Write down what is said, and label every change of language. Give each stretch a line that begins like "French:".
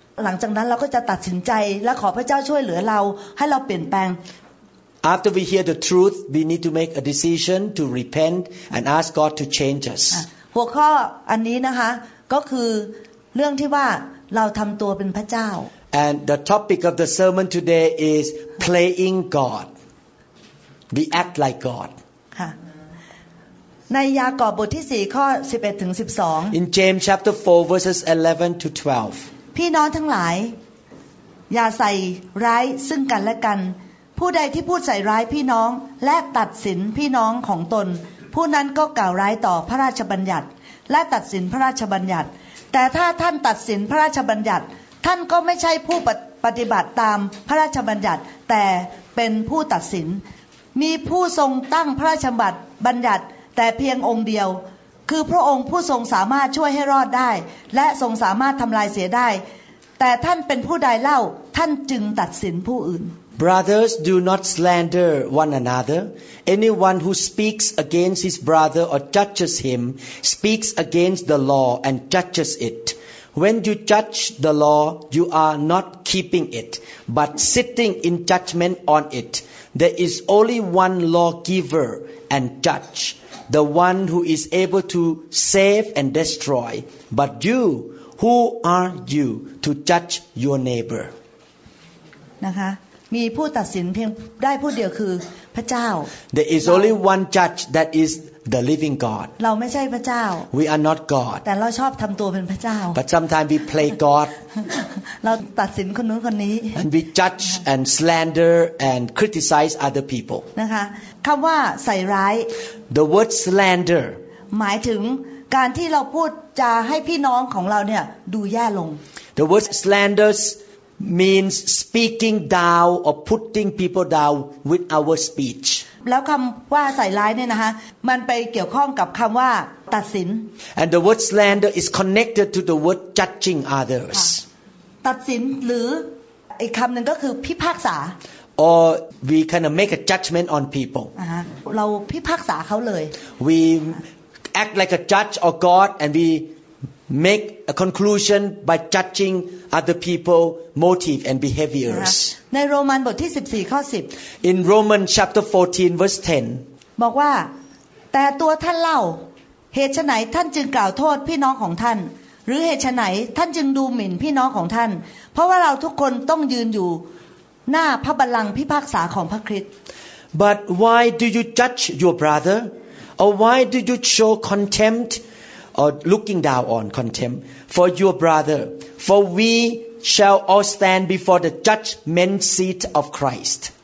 Thai: หลังจากนั้นเราก็จะตัดสินใจและขอพระเจ้าช่วยเหลือเราให้เราเปลี่ยนแปลง
English: After we hear the truth, we need to make a decision to repent and ask God to change us.
Thai: หัวข้ออันนี้นะคะก็คือเรื่องที่ว่าเราทำตัวเป็นพระเจ้า
English: And the topic of the sermon today is playing God. We act like God.
Thai: ในยากอบบทที่4ข้อ11ถึง12
English: In James chapter 4 verses 11 to 12.
Thai: พี่น้องทั้งหลายอย่าใส่ร้ายซึ่งกันและกันผู้ใดที่พูดใส่ร้ายพี่น้องและตัดสินพี่น้องของตนผู้นั้นก็กล่าวร้ายต่อพระราชบัญญัติและตัดสินพระราชบัญญัติแต่ถ้าท่านตัดสินพระราชบัญญัติท่านก็ไม่ใช่ผู้ปฏิบัติตามพระราชบัญญัติแต่เป็นผู้ตัดสิน มีผู้ทรงตั้งพระราชบัญญัติแต่เพียงองค์เดียวคือพระองค์ผู้ทรงสามารถช่วยให้รอดได้และทรงสามารถทำลายเสียได้แต่ท่านเป็นผู้ใดเล่าท่านจึงตัดสินผู้อื่น
English: Brothers do not slander one another. Anyone who speaks against his brother or judges him speaks against the law and judges it. When you judge the law, you are not keeping it, but sitting in judgment on it. There is only one lawgiver and judge, the one who is able to save and destroy. But you, who are you to judge your neighbor?
Thai: นะคะ มีผู้ตัดสินเพียงได้ผู้เดียวคือพระเจ้า
English: There is only one judge that isThe Living God.
Thai: เราไม่ใช่พระเจ้า
English: We are not God.
Thai: แต่เราชอบทำตัวเป็นพระเจ้า
English: But sometimes we play God.
Thai: เราตัดสินคนนู้นคนนี้
English: And we judge and slander and criticize other people.
Thai: นะคะคำว่าใส่ร้าย
English: The word slander.
Thai: หมายถึงการที่เราพูดจะให้พี่น้องของเราเนี่ยดูแย่ลง
English: The word slanders means speaking down or putting people down with our speech.
Thai: แล้วคำว่าใส่ร้ายเนี่ยนะฮะมันไปเกี่ยวข้องกับคำว่าตัดสิน
English: And the word slander is connected to the word judging others
Thai: ตัดสินหรืออีกคำหนึ่งก็คือพิพากษา
English: Or we kind of make a judgment on people
Thai: เราพิพากษาเขาเลย
English: We act like a judge or God and we make a conclusion by judging other people motive and behaviors
Thai: ในโรมันบทที่14ข้อ10
English: In Roman chapter 14 verse 10
Thai: บอกว่าแต่ตัวท่านเล่าเหตุไฉนท่านจึงกล่าวโทษพี่น้องของท่านหรือเหตุไฉนท่านจึงดูหมิ่นพี่น้องของท่านเพราะว่าเราทุกคนต้องยืนอยู่หน้าพระบัลลังก์พิพากษาของพระคริสต์
English: But why do you judge your brother or why do you show contemptOr looking down on contempt for your brother, for we shall all stand before the judgment seat of Christ.